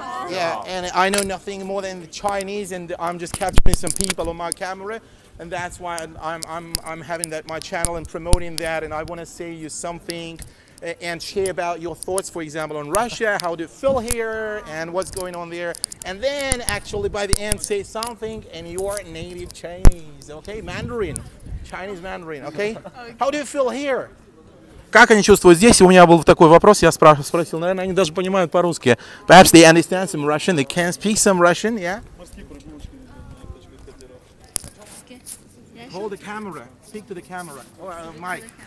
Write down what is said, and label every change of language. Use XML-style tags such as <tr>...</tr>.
<en>Yeah, and I know nothing more than the Chinese, and I'm just capturing some people on my camera, and that's why I'm having that my channel and promoting that, and I want to say you something, and share about your thoughts, for example, on Russia, how do you feel here, and what's going on there, and then actually by the end say something in your native Chinese, okay, Mandarin. Chinese Mandarin, okay? How do you feel here?</en> <ru>Как они чувствуют здесь? У меня был такой вопрос, я спросил, наверное, они даже понимают по-русски.</ru> <en>Perhaps they understand some Russian, they can speak some Russian, yeah? Hold the camera, speak to the camera, or mic.</en>